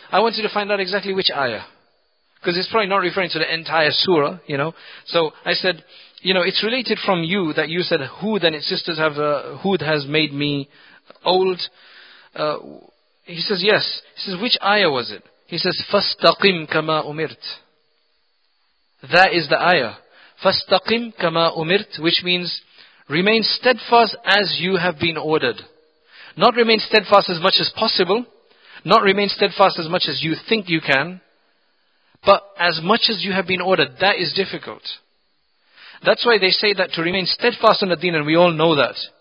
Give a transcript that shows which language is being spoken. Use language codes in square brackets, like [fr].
[en] I wanted to find out exactly which ayah. Because it's probably not referring to the entire surah, you know. So I said, you know, it's related from you that you said Hud and its sisters have Hud has made me old. He says, yes. He says, which ayah was it? He says, [ar] فَاسْتَقِمْ كَمَا أُمِرْتْ. [en] That is the ayah. [ar] فَاسْتَقِمْ كَمَا أُمِرْتْ, [en] which means, remain steadfast as you have been ordered. Not remain steadfast as much as possible. Not remain steadfast as much as you think you can. But as much as you have been ordered, that is difficult. That's why they say that to remain steadfast on the deen, and we all know that.